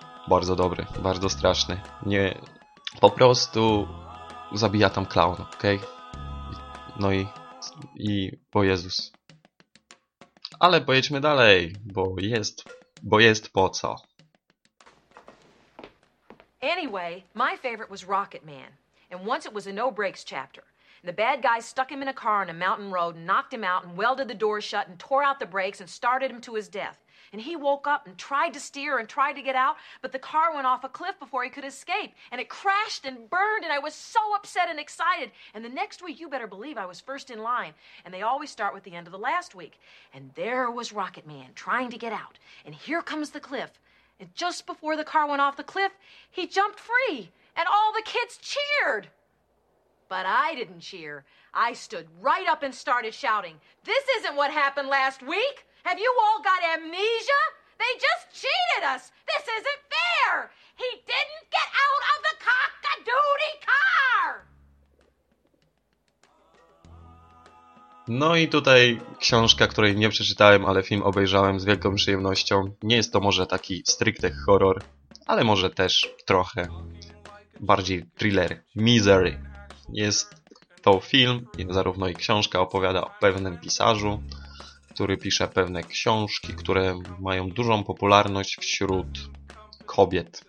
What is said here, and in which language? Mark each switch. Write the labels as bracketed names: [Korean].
[Polish] bardzo dobry, bardzo straszny. Nie, po prostu zabija tam klauna, okej? Okay? No i po Jezus. Ale pojedźmy dalej, bo jest po co. [English] Anyway, my favorite was Rocket Man. And once it was a no breaks chapter. The bad guys stuck him in a car on a mountain road and knocked him out and welded the door shut and tore out the brakes and started him to his death. And he woke up and tried to steer and tried to get out, but the car went off a cliff before he could escape. And it crashed and burned, and I was so upset and excited. And the next week, you better believe I was first in line. And they always start with the end of the last week. And there was Rocket Man trying to get out. And here comes the cliff. And just before the car went off the cliff, he jumped free. And all the kids cheered. But I didn't cheer. I stood right up and started shouting, "This isn't what happened last week! Have you all got amnesia? They just cheated us! This isn't fair! He didn't get out of the cock-a-doody car!" [Polish] No i tutaj książka, której nie przeczytałem, ale film obejrzałem z wielką przyjemnością. Nie jest to może taki stricte horror, ale może też trochę bardziej thriller. Misery. Jest to film, zarówno i książka opowiada o pewnym pisarzu, który pisze pewne książki, które mają dużą popularność wśród kobiet.